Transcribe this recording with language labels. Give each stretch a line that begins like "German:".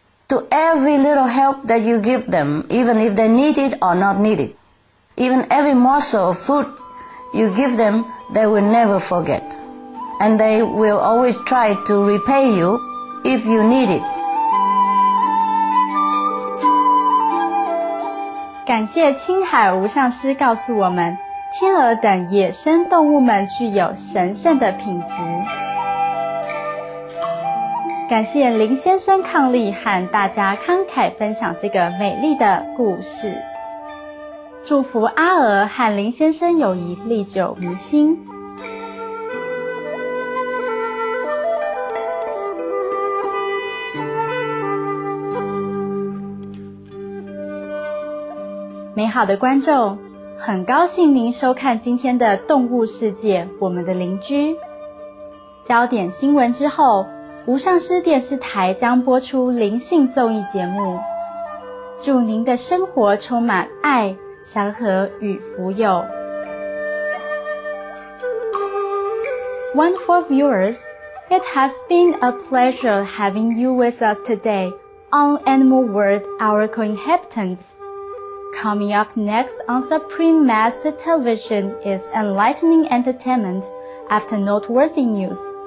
English: to every little help that you give them, even if they need it or not need it. Even every morsel of food you give them, they will never forget. And they will always try to repay you if you need it.
Chinese: 感谢青海无上师告诉我们，天鹅等野生动物们具有神圣的品质。感谢林先生伉俪和大家慷慨分享这个美丽的故事。祝福阿娥和林先生友谊历久弥新。美好的观众，很高兴您收看今天的《动物世界》，我们的邻居。焦点新闻之后，无上师电视台将播出灵性综艺节目。祝您的生活充满爱、祥和与福佑。
English: Wonderful viewers, it has been a pleasure having you with us today on Animal World, Our Co-inhabitants. Coming up next on Supreme Master Television is Enlightening Entertainment after Noteworthy News.